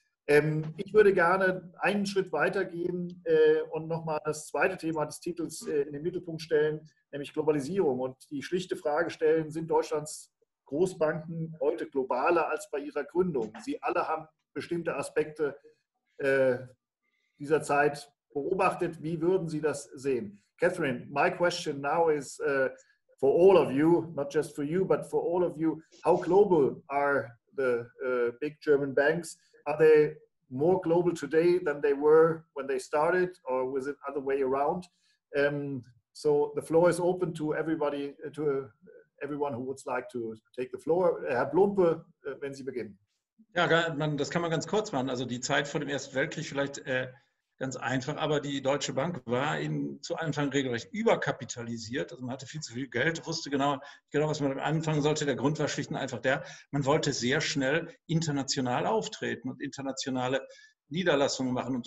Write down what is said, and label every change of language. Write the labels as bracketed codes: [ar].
[de] Ich würde gerne einen Schritt weitergehen und nochmal das zweite Thema des Titels in den Mittelpunkt stellen, nämlich Globalisierung. Und die schlichte Frage stellen, sind Deutschlands Großbanken heute globaler als bei ihrer Gründung? Sie alle haben bestimmte Aspekte dieser Zeit beobachtet. Wie würden Sie das sehen? [en] Catherine, my question now is... for all of you, not just for you, but for all of you, how global are the big German banks? Are they more global today than they were when they started, or was it other way around? So the floor is open to everybody, to everyone who would like to take the floor. [de] Herr Blumpe, wenn Sie beginnen. Ja, das kann man ganz kurz machen. Also die Zeit vor dem Ersten Weltkrieg vielleicht ganz einfach, aber die Deutsche Bank war zu Anfang regelrecht überkapitalisiert. Also man hatte viel zu viel Geld, wusste genau, was man anfangen sollte. Der Grund war schlicht und einfach der, man wollte sehr schnell international auftreten und internationale Niederlassungen machen.